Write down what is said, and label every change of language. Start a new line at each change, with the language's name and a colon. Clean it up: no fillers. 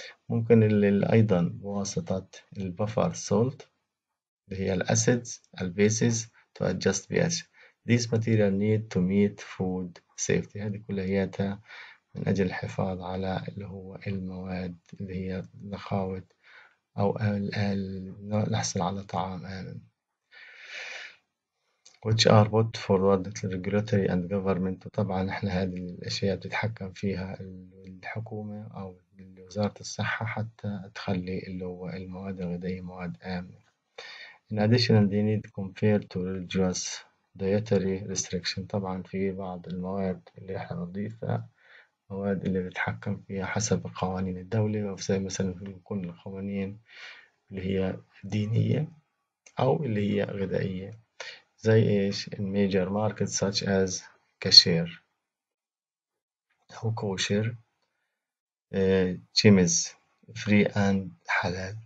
Arabic: ممكن ايضا بواسطة البفر سولت اللي هي الاسيدز البيسز
English: To adjust P H. This material need to meet food safety.
Arabic: هذه كلياتها من أجل الحفاظ على اللي هو المواد اللي هي نخاوت أو نحصل على طعام آمن.
English: Which are both for the regulatory and government.
Arabic: وطبعا احنا هذه الأشياء بتتحكم فيها الحكومة أو وزارة الصحة حتى تخلي اللي هو المواد الغذائية مواد آمنة.
English: In addition, they need to compare to religious dietary restriction.
Arabic: طبعا في بعض المواد اللي احنا بنضيفها مواد اللي بتتحكم فيها حسب قوانين الدولة، أو زي مثلا بيكون القوانين اللي هي دينية أو اللي هي غذائية، زي إيش الميجر ماركت
English: such as
Arabic: كاشير أو كوشير،
English: chems free and
Arabic: حلال.